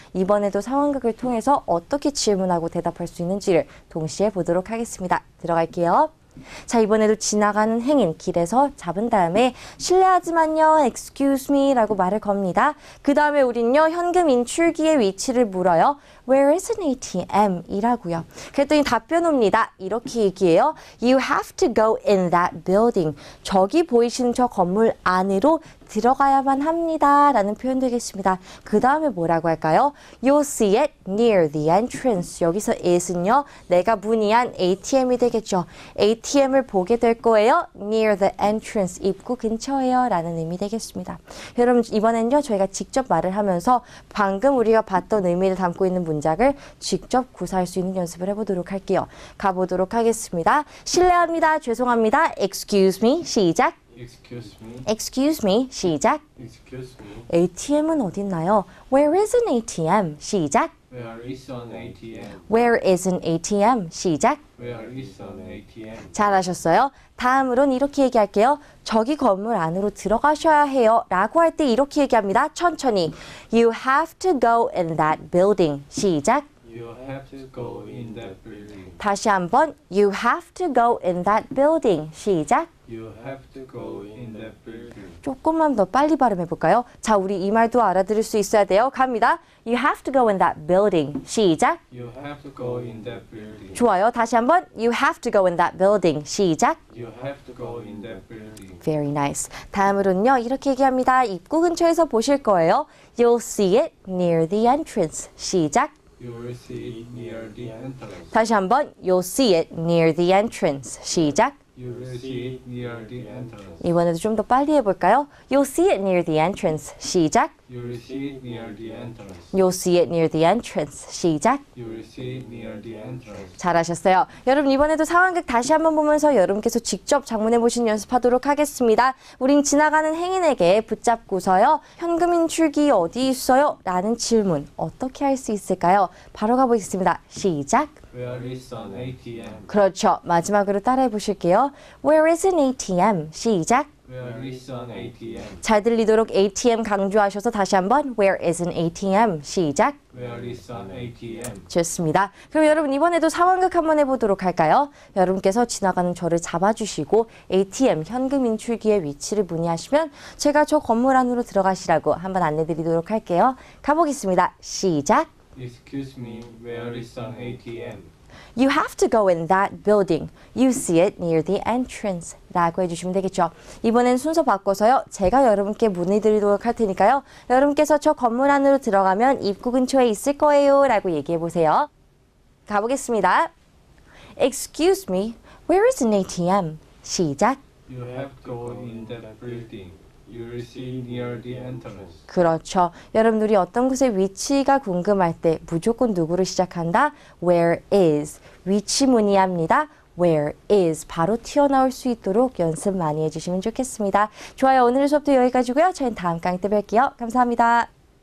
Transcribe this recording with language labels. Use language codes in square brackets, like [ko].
[ko] 이번에도 상황극을 통해서 어떻게 질문하고 대답할 수 있는지를 동시에 보도록 하겠습니다. 들어갈게요. 자, 이번에도 지나가는 행인 길에서 잡은 다음에 실례하지만요, [en] excuse me [ko] 라고 말을 겁니다. 그 다음에 우리는요, 현금 인출기의 위치를 물어요. [en] Where is an ATM? [ko] 이라고요. 그랬더니 답변 옵니다. 이렇게 얘기해요. [en] You have to go in that building. [ko] 저기 보이시는 저 건물 안으로 들어가야만 합니다 라는 표현 되겠습니다. 그 다음에 뭐라고 할까요? [en] You'll see it near the entrance. [ko] 여기서 it은요, 내가 문의한 ATM이 되겠죠. ATM을 보게 될 거예요. [en] Near the entrance, [ko] 입구 근처예요 라는 의미 되겠습니다. 여러분, 이번에는요, 저희가 직접 말을 하면서 방금 우리가 봤던 의미를 담고 있는 문장을 직접 구사할 수 있는 연습을 해보도록 할게요. 가보도록 하겠습니다. 실례합니다. 죄송합니다. [en] Excuse me. [ko] 시작. [en] Excuse me. Excuse me. 시작. Excuse me. [ko] ATM은 어디 있나요? [en] Where is an ATM? [ko] 시작. [en] Where is an ATM? Where is an ATM? 시작. Where is an ATM? [ko] 잘하셨어요. 다음으론 이렇게 얘기할게요. 저기 건물 안으로 들어가셔야 해요. 라고 할 때 이렇게 얘기합니다. 천천히. [en] You have to go in that building. [ko] 시작. [en] You have to go in that building. [ko] 다시 한번. [en] You have to go in that building. [ko] 시작. [en] You have to go in that building. [ko] 조금만 더 빨리 발음해 볼까요? 자, 우리 이 말도 알아들을 수 있어야 돼요. 갑니다. [en] You have to go in that building. [ko] 시작. [en] You have to go in that building. [ko] 좋아요. 다시 한번. [en] You have to go in that building. [ko] 시작. [en] You have to go in that building. Very nice. [ko] 다음으로는요, 이렇게 얘기합니다. 입구 근처에서 보실 거예요. [en] You'll see it near the entrance. [ko] 시작. [en] You'll see it near the entrance. [ko] 다시 한번, [en] you'll see it near the entrance. [ko] 시작. [en] You'll see it near the entrance. [ko] 이번에도 좀 더 빨리 해볼까요? [en] You'll see it near the entrance. [ko] 시작. [en] You'll see it near the entrance. You'll see it near the entrance. [ko] 시작. [en] You'll see it near the entrance. [ko] 잘하셨어요. 여러분, 이번에도 상황극 다시 한번 보면서 여러분께서 직접 장문해 보신 연습하도록 하겠습니다. 우린 지나가는 행인에게 붙잡고서요, 현금 인출기 어디 있어요? 라는 질문 어떻게 할 수 있을까요? 바로 가보겠습니다. 시작. [en] Where is an ATM? [ko] 그렇죠. 마지막으로 따라해 보실게요. [en] Where is an ATM? 시작. Where is an ATM? [ko] 잘 들리도록 ATM 강조하셔서 다시 한번 [en] Where is an ATM? [ko] 시작. [en] Where is an ATM? [ko] 좋습니다. 그럼 여러분, 이번에도 상황극 한번 해보도록 할까요? 여러분께서 지나가는 저를 잡아주시고 ATM 현금 인출기의 위치를 문의하시면 제가 저 건물 안으로 들어가시라고 한번 안내드리도록 할게요. 가보겠습니다. 시작. [en] Excuse me, where is an ATM? You have to go in that building. You see it near the entrance. [ko] 라고 해주시면 되겠죠. 이번엔 순서 바꿔서요. 제가 여러분께 문의드리도록 할 테니까요. 여러분께서 저 건물 안으로 들어가면 입구 근처에 있을 거예요. 라고 얘기해 보세요. 가보겠습니다. [en] Excuse me, where is an ATM? [ko] 시작. [en] You have to go in that building. You'll see near the entrance. [ko] 그렇죠. 여러분, 우리 어떤 곳의 위치가 궁금할 때 무조건 누구를 시작한다? [en] Where is. [ko] 위치 문의합니다. [en] Where is. [ko] 바로 튀어나올 수 있도록 연습 많이 해주시면 좋겠습니다. 좋아요. 오늘 수업도 여기까지고요. 저희는 다음 강의 때 뵐게요. 감사합니다.